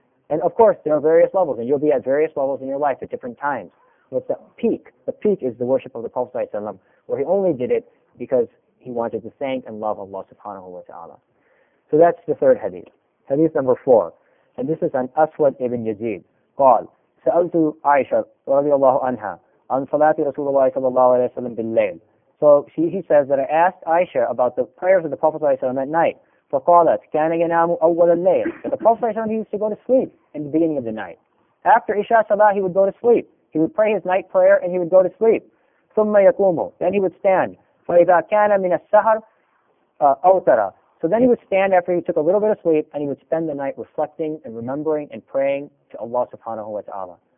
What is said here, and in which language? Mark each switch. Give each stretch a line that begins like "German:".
English: And of course, there are various levels, and you'll be at various levels in your life at different times. But the peak is the worship of the Prophet ﷺ, where he only did it because he wanted to thank and love Allah subhanahu wa ta'ala. So that's the third hadith. Hadith number four. And this is an Aswad ibn Yazid.
Arabic: قال, سألت عائشة رضي الله عنها عن صلاة رسول الله صلى الله عليه وسلم بالليل.
English: So he says that I asked Aisha about the prayers of the Prophet ﷺ at night.
Arabic: فقالت كان ينام أول الليل.
English: The Prophet ﷺ used to go to sleep in the beginning of the night. After Isha Salah, he would go to sleep. He would pray his night prayer and he would go to sleep.
Arabic: ثم يقوم.
English: Then he would stand.
Arabic: فإذا كان من السهر أوترا.
English: So then he would stand after he took a little bit of sleep and he would spend the night reflecting and remembering and praying to Allah subhanahu wa ta'ala.